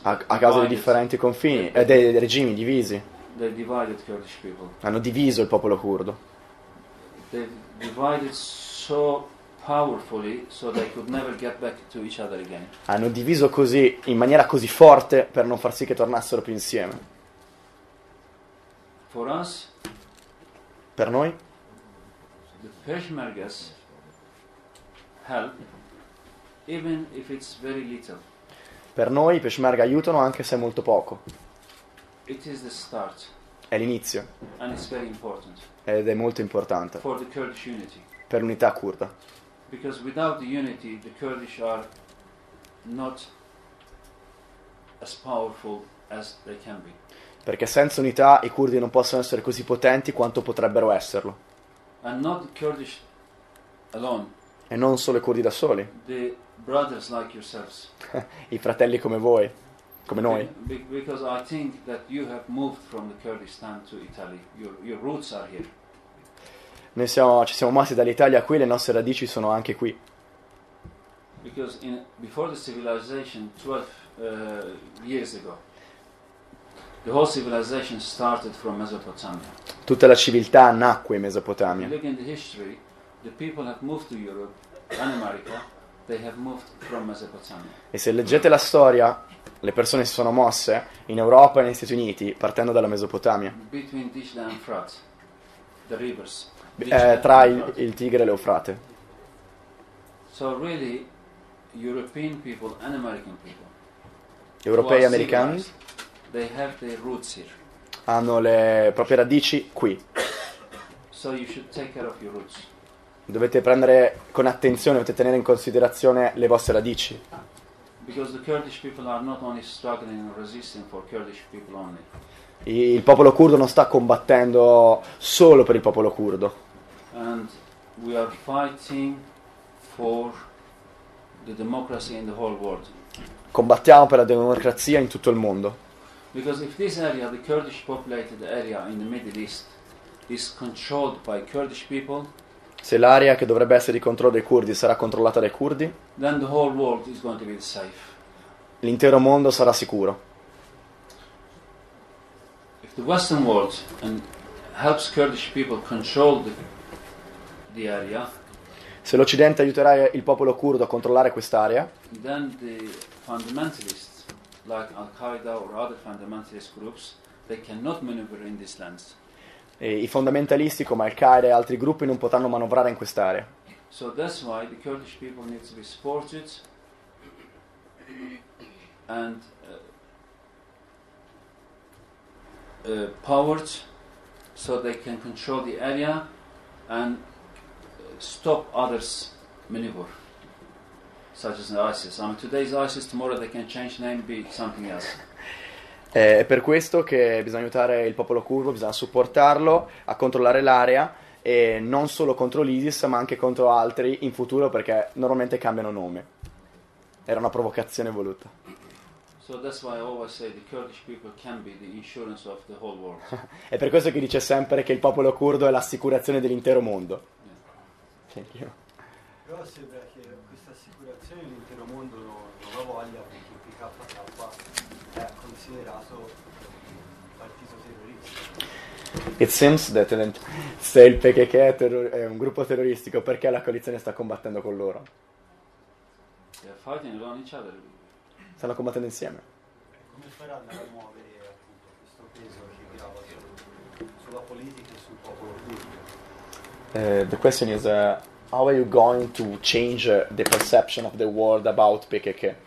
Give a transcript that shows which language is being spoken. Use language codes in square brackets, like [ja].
[it] A causa dei differenti confini e dei regimi divisi. [en] They divided Kurdish people. [it] Hanno diviso il popolo curdo. [en] They divided so powerfully so they could never get back to each other again. [it] Hanno diviso così in maniera così forte per non far sì che tornassero più insieme. [en] For us, [it] per noi, [en] the Peshmergas help even if it's very little. [it] Per noi i Peshmerga aiutano anche se è molto poco. [en] It is the start. [it] È l'inizio. [en] And it's very important. [it] Ed è molto importante. [en] For the Kurdish unity. [it] Per l'unità curda. [en] Because without the unity, the Kurdish are not as powerful as they can be. [it] Perché senza unità i curdi non possono essere così potenti quanto potrebbero esserlo. [en] And not the Kurdish alone. [it] E non solo i curdi da soli. [en] The brothers like yourselves. [it] I fratelli come voi, come noi. [en] Because I think that you have moved from the Kurdistan to Italy. Your roots are here. [it] Noi ci siamo mossi dall'Italia qui, le nostre radici sono anche qui. [en] Because in before the civilization 12 years ago. The whole civilization started from Mesopotamia. [it] Tutta la civiltà nacque in Mesopotamia. [en] Look in the history, the people have moved to Europe and America. They have moved from Mesopotamia. [it] E se leggete la storia, le persone si sono mosse in Europa e negli Stati Uniti partendo dalla Mesopotamia. [en] Between Dijla and Frat, the rivers. [it] Tra il Tigre e l'Eufrate. [en] So really, European people and American people. [it] Europei e americani. [en] They have their roots here. [it] Hanno le proprie radici qui. [en] So you should take care of your roots. [it] Dovete prendere con attenzione, dovete tenere in considerazione le vostre radici. [en] Because the Kurdish people are not only struggling and resisting for Kurdish people only. [it] Il popolo curdo non sta combattendo solo per il popolo curdo. [en] And we are fighting for the democracy in the whole world. [it] Combattiamo per la democrazia in tutto il mondo. [en] Because if this area, the Kurdish populated area in the Middle East, is controlled by Kurdish people, [it] se l'area che dovrebbe essere di controllo dei curdi sarà controllata dai curdi, [en] then the whole world is going to be safe. [it] L'intero mondo sarà sicuro. [en] If the Western world and helps Kurdish people control the area, [it] se l'Occidente aiuterà il popolo curdo a controllare quest'area, [en] then the fundamentalists like Al-Qaeda or other fundamentalist groups, they cannot maneuver in these lands. [it] E i fondamentalisti come Al-Qaeda e altri gruppi non potranno manovrare in quest'area. [en] So that's why the Kurdish people need to be supported and powered so they can control the area and stop others maneuver. Such as ISIS. I mean, today's ISIS, tomorrow they can change name, be something else. [it] È per questo che bisogna aiutare il popolo curdo, bisogna supportarlo a controllare l'area e non solo contro l'ISIS, ma anche contro altri in futuro, perché normalmente cambiano nome. Era una provocazione voluta. [en] So that's why I always say the Kurdish people can be the insurance of the whole world. [it] È per questo che dice sempre che il popolo curdo è l'assicurazione dell'intero mondo. [en] Yeah. Thank you. [it] Però sembra che questa assicurazione l'intero mondo non la voglia, perché il PKK è considerato un partito terrorista. [en] It seems that [it] se il PKK è un gruppo terroristico, perché la coalizione sta combattendo con loro? [en] They are fighting around each other. [it] Stanno combattendo insieme. Come faranno a muovere appunto questo peso che grava sulla politica e sul popolo turco? [en] The question is how are you going to change the perception of the world about PKK?